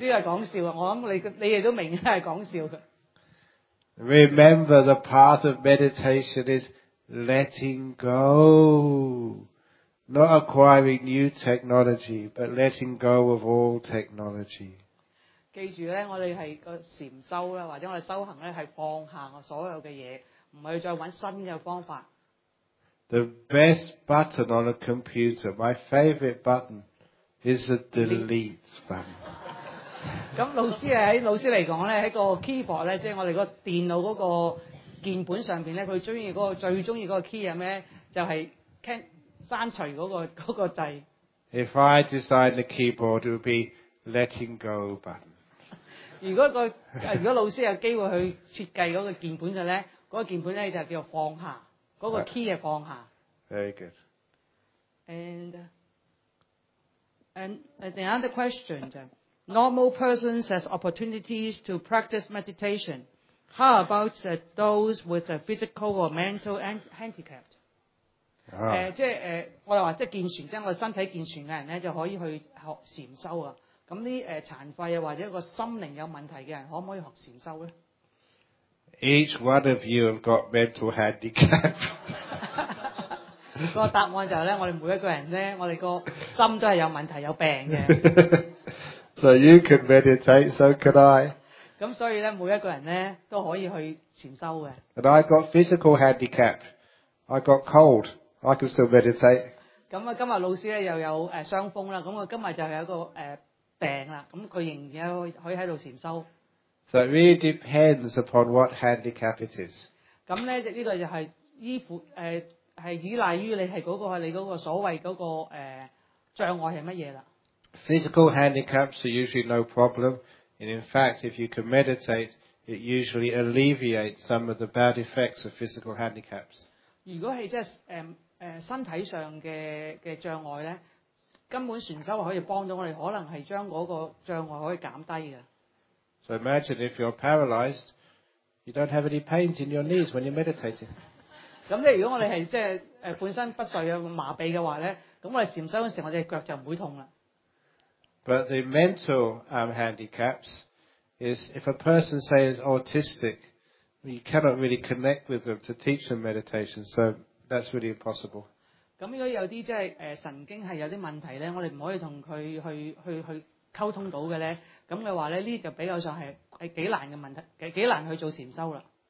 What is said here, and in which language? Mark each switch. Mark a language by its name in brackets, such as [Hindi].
[Cantonese] 呢個係講笑啊！我諗你哋都明係講笑嘅。 [English] Remember, the path of meditation is letting go. Not acquiring new technology, but letting go of all technology. [Cantonese] 記住咧，我哋係個禪修啦，或者我哋修行咧，係放下我所有嘅嘢，唔係再揾新嘅方法。 [English] The best button on a computer, my favorite button, is the delete button. [Cantonese] 咁老師嚟講咧，喺個 keyboard 咧，即係我哋個電腦嗰個鍵盤上邊咧，佢中意嗰個最中意嗰個 key 係咩？就係 can。刪除那個掣。 [English] If I designed the keyboard, it would be letting go button. [Cantonese] 如果老師有機會去設計那個鍵盤嘅咧，那個鍵盤咧就叫放下，那個 key 係放下。 [English] Very good. And the other question: Normal person has opportunities to practice meditation. How about those with a physical or mental handicap? [Cantonese] 我哋話即係健全，即係我身體健全嘅人咧，就可以去學禪修啊。咁啲殘廢啊，或者一個心靈有問題嘅人，可唔可以學禪修咧 [English] ？Each one of you have got mental handicap 。 [Cantonese] 個答案就係咧，我哋每一個人咧，我哋個心都係有問題、有病嘅。 [English] So you can meditate, so can I。 [Cantonese] 咁所以咧，每一個人咧都可以去禪修嘅。 [English] And I got physical handicap. I got cold. I can still meditate. [Cantonese] 咁今日老師咧又有傷風啦，咁今日就有一個病啦，咁佢仍然可以喺度禪修。 [English] So it really depends upon what handicap it is. [Cantonese] 咁咧呢個就係依賴於你係你嗰個所謂嗰個障礙係乜嘢啦。 [English] Physical handicaps are usually no problem, and in fact, if you can meditate, it usually alleviates some of the bad effects of physical handicaps. [Cantonese] 如果係即係身體上嘅障礙咧，根本禪修可以幫到我哋，可能係將嗰個障礙可以減低嘅。 [English] So imagine if you're paralysed, you don't have any pains in your knees when you're meditating. [Cantonese] 咁即係如果我哋係即係本身不遂有麻痹嘅話咧，咁我哋禪修嗰時候，我哋腳就唔會痛啦。 [English] But the mental handicaps is if a person say is autistic. You cannot really connect with them to teach them meditation, so that's really impossible. [Cantonese] 咁如果有啲即係神經係有啲問題咧，我哋唔可以同佢去溝通到嘅咧，咁嘅話咧，呢就比較上係幾難嘅問題，幾難去做禪修啦。